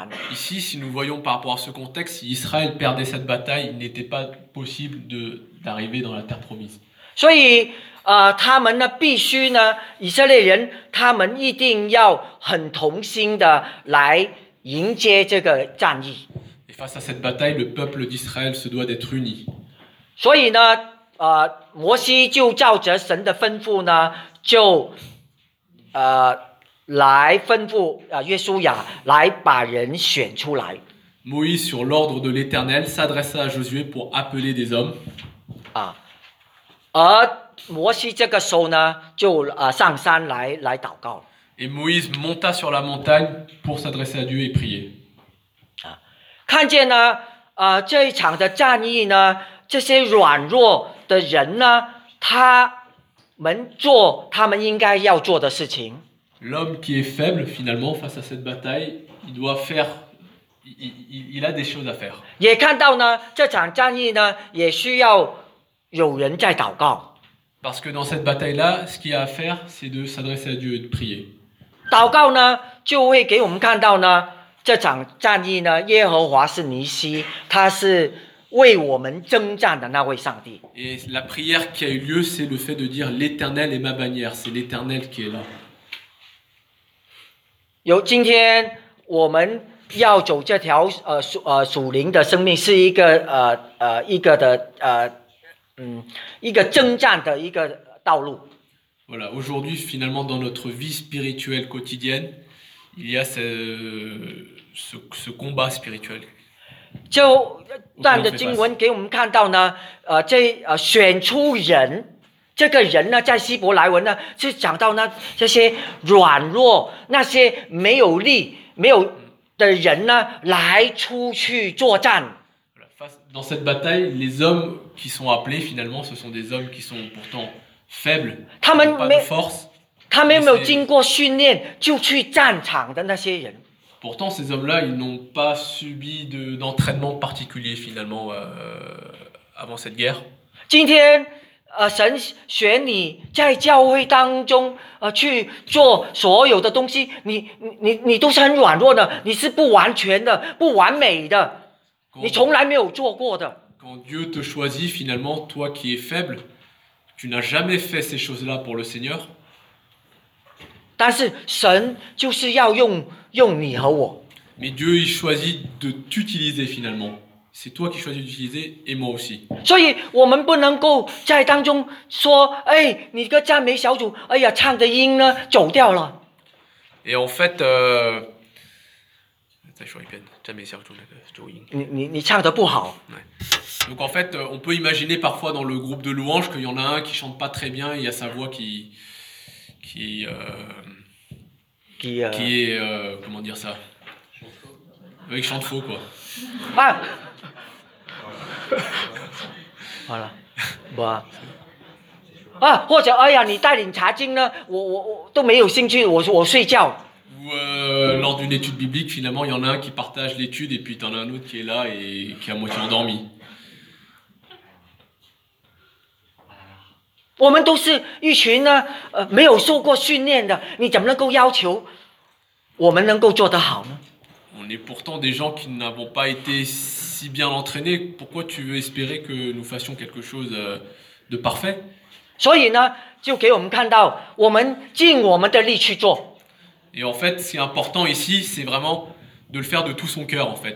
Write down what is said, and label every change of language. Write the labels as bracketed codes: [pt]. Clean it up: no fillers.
[fr] Ici, si nous voyons par rapport à ce contexte, si Israël perdait cette bataille, il n'était pas possible d'arriver dans la terre promise. [zh] 所以, 他们呢, 必须呢, 以色列人, 他们一定要很同心的来迎接这个战役。 [fr] Et face à cette bataille, le peuple d'Israël se doit d'être uni. [zh] 所以呢, 摩西就照着神的吩咐呢, 就, 来吩咐, 约书亚, 来把人选出来。 [fr] Moïse, sur l'ordre de l'Éternel, s'adressa à Josué pour appeler des hommes. [zh] 啊, 而摩西这个时候呢, 就, 上山来, 来祷告。 [fr] Et Moïse monta sur la montagne pour s'adresser à Dieu et prier. [zh] 啊, 看见呢, 这一场的战役呢, 这些软弱的人呢, 他们做他们应该要做的事情。 [fr] L'homme qui est faible finalement face à cette bataille, il doit faire, il a des choses à faire. [zh] 也看到呢，这场战役呢，也需要有人在祷告。 [fr] Parce que dans cette bataille-là, ce qu'il y a à faire, c'est de s'adresser à Dieu et de prier. [zh] 祷告呢，就会给我们看到呢，这场战役呢，耶和华是尼西，他是为我们征战的那位上帝。 [fr] Et la prière qui a eu lieu, c'est le fait de dire l'Éternel est ma bannière, c'est l'Éternel qui est là. [zh] 有今天我们要走这条属灵的生命，是一个征战的一个道路。 [fr] Voilà, aujourd'hui finalement dans notre vie spirituelle quotidienne, il y a ce combat spirituel. [zh] 就段的经文给我们看到呢，这选出人。这个人呢，在希伯来文呢，是讲到呢这些软弱、那些没有力、没有的人呢，来出去作战。 [fr] Dans cette bataille, les hommes qui sont appelés finalement, ce sont des hommes qui sont pourtant faibles, pas de force. [zh] 他们没有经过训练就去战场的那些人。 [fr] Pourtant, ces hommes-là, ils n'ont pas subi d'entraînement particulier finalement avant cette guerre. [zh] 今天神选你在教会当中去做所有的东西，你都是很软弱的，你是不完全的，不完美的，你从来没有做过的。 [fr] Quand Dieu te choisit finalement, toi qui es faible, tu n'as jamais fait ces choses-là pour le Seigneur. [zh] 但是神就是要用你和我。 [fr] Mais Dieu il choisit de t'utiliser finalement. C'est toi qui choisis d'utiliser et moi aussi. [zh] 所以我们不能够在当中说，哎，你个赞美小组，哎呀，唱的音呢走掉了。 [fr] Et en fait, [zh] 再说一遍，赞美小组那个走音。你唱的不好。 [fr] Ouais. Donc en fait, on peut imaginer parfois dans le groupe de louanges qu'il y en a un qui chante pas très bien, il y a sa voix qui est comment dire ça, qui chante faux quoi. Ah. [zh] 好了，不啊，啊，或者哎呀，你带领查经呢，我都没有兴趣，我睡觉。 [fr] Lors d'une étude biblique, finalement, il y en a un qui partage l'étude et puis t'en as un autre qui est là et qui est à moitié endormi. [zh] 我们都是一群呢，没有受过训练的，你怎么能够要求我们能够做得好呢？ [fr] On est pourtant des gens qui n'avons pas été si bien entraînés. Pourquoi tu veux espérer que nous fassions quelque chose de parfait ? Et en fait, ce qui est important ici, c'est vraiment de le faire de tout son cœur, en fait,